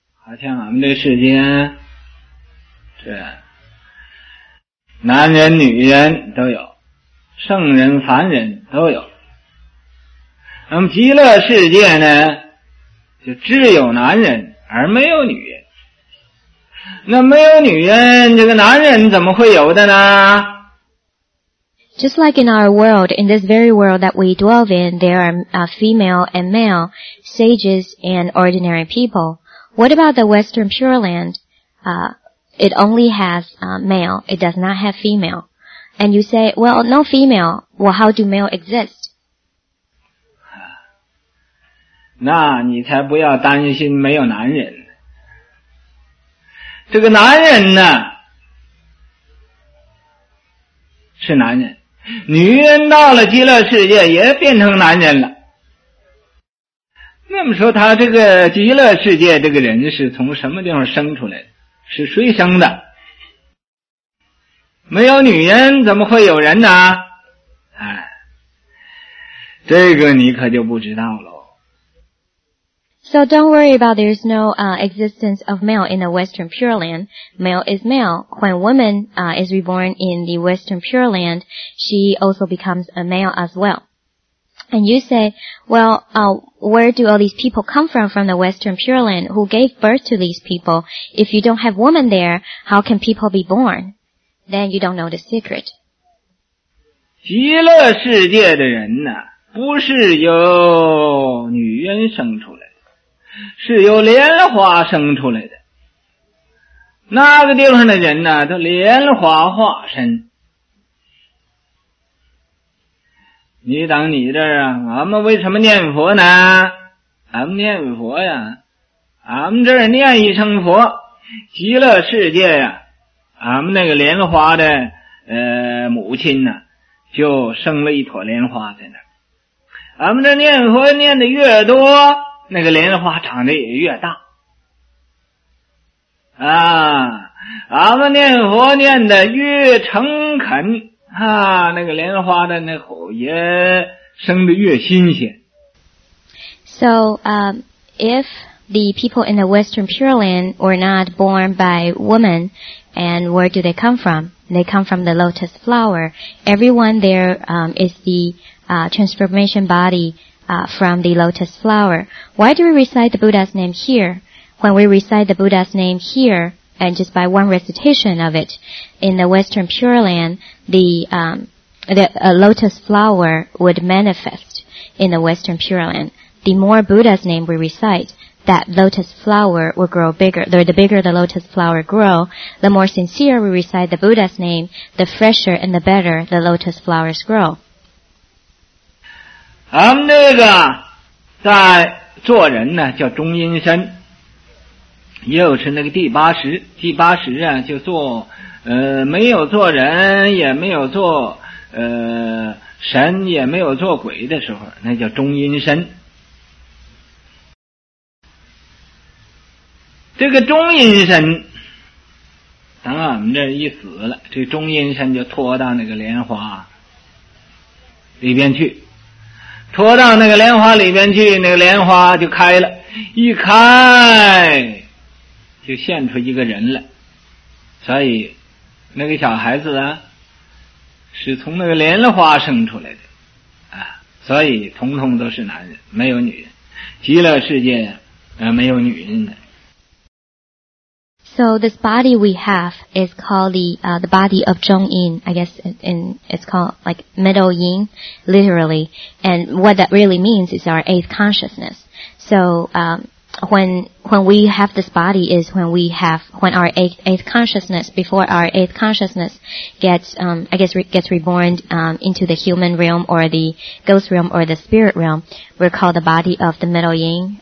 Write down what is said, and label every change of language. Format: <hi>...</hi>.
<en>It seems that this world is...</en> <zh>男人女人都有，圣人凡人都有。那么极乐世界呢，就只有男人而没有女人。那没有女人，这个男人怎么会有的呢？</zh> <en>Just like in our world, in this very world that we dwell in, there are female and male, sages and ordinary people. What about the Western Pure Land? It only has male, it does not have female. And you say, well, no female, well, how do male exist?</en> <zh>那你才不要担心没有男人。这个男人呢，是男人。女人到了极乐世界也变成男人了。那么说他这个极乐世界这个人是从什么地方生出来的？是谁生的？没有女人怎么会有人呢？这个你可就不知道了。</zh> <en>So don't worry about there's no existence of male in the Western Pure Land. Male is male. When woman is reborn in the Western Pure Land, she also becomes a male as well. And you say, well, where do all these people come from the Western Pure Land? Who gave birth to these people? If you don't have woman there, how can people be born? Then you don't know the secret.</en> <zh>极乐世界的人呢、啊、不是由女人生出来的，是由莲花生出来的。那个地方的人呢、啊、都莲花化身。你等你这儿啊，俺们为什么念佛呢？俺们念佛呀，俺们这儿念一声佛，极乐世界呀、啊、俺们那个莲花的母亲呢、啊就生了一朵莲花在那儿。俺们这念佛念的越多，那个莲花长得也越大。啊，俺们念佛念的越诚恳啊，那个莲花的那口也生得越新鲜。</zh> <en>So, if the people in the Western Pure Land were not born by woman, and where do they come from? They come from the lotus flower. Everyone there is the transformation body from the lotus flower. Why do we recite the Buddha's name here? When we recite the Buddha's name here, and just by one recitation of it, in the Western Pure Land, the lotus flower would manifest in the Western Pure Land. The more Buddha's name we recite,that lotus flower will grow bigger. The bigger the lotus flower grow, the more sincere we recite the Buddha's name, the fresher and the better the lotus flowers grow.</en> <zh>俺们这个在做人呢叫中阴身，也有是那个第八识，第八识啊就做没有做人也没有做神也没有做鬼的时候，那叫中阴身。这个中阴身等俺们这一死了，这中阴身就拖到那个莲花里边去，拖到那个莲花里边去，那个莲花就开了，一开就现出一个人来。所以那个小孩子啊是从那个莲花生出来的啊，所以统统都是男人，没有女人。极乐世界没有女人的。</zh> <en>So this body we have is called the body of Zhong Yin, I guess it's called like middle yin, literally. And what that really means is our eighth consciousness. So, when we have this body is when our eighth consciousness, before our eighth consciousness gets reborn, into the human realm or the ghost realm or the spirit realm, we're called the body of the middle yin.</en>